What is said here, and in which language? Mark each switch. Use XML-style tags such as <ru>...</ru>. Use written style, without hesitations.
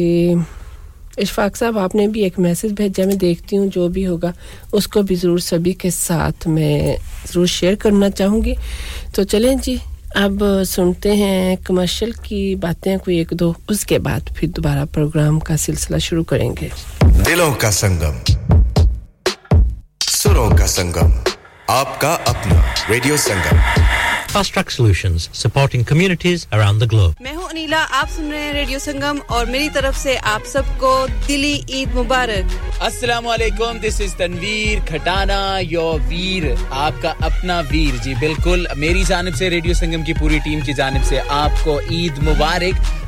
<hi>इश्फाक साहब आपने भी एक मैसेज भेजा मैं देखती हूं जो भी होगा उसको भी जरूर सभी के साथ मैं जरूर शेयर करना चाहूंगी तो चलें जी अब सुनते हैं कमर्शियल की बातें कोई एक दो उसके बाद फिर दोबारा प्रोग्राम का सिलसिला शुरू करेंगे दिलों का संगम सुरों का संगम आपका अपना radio Sangam</hi> <en>Fast Track Solutions, supporting communities around the globe.</en> <hi>मैं हूं अनीला, आप सुन रहे हैं रेडियो संगम और मेरी तरफ से आप सबको दिली ईद मुबारक.</hi> <en>Assalamualaikum, this is Tanveer Khatana, your veer.</en> <hi>आपका अपना veer, जी बिल्कुल. मेरी जानिब से रेडियो संगम की पूरी टीम की जानिब से आपको ईद मुबारक.</hi>